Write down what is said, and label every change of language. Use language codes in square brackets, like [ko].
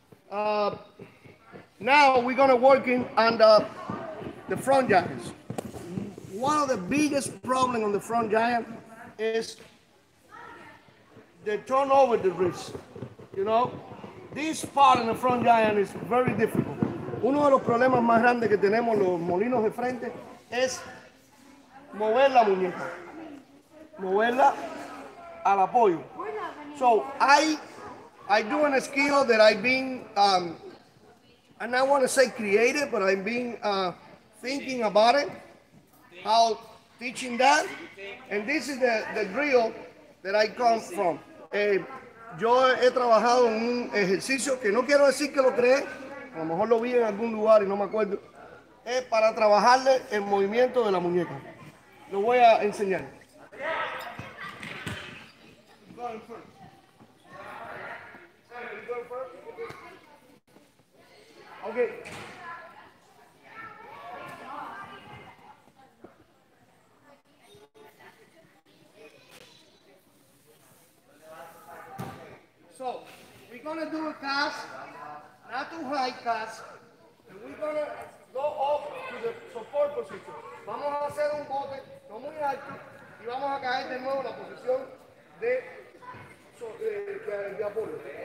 [en] Now we're going to work in on the front giants. One of the biggest problems on the front giant is the turnover of the wrist. You know, this part in the front giant is very difficult. [es] Uno de los problemas más grandes que tenemos los molinos de frente es mover la muñeca, moverla al apoyo. [en] So I do a skill that I've been, and I want to say creative, but I've been thinking about it, how teaching that. And this is the drill that I come from. [es] Yo he trabajado en un ejercicio que no quiero decir que lo creé, a lo mejor lo vi en algún lugar y no me acuerdo, es para trabajarle el movimiento de la muñeca. Lo voy a enseñar. [en] Okay. So, we're gonna do a cast, not too high cast, and we're gonna go off to the support position. [es] Vamos a hacer un bote no muy alto y vamos a caer de nuevo en la posición de apoyo.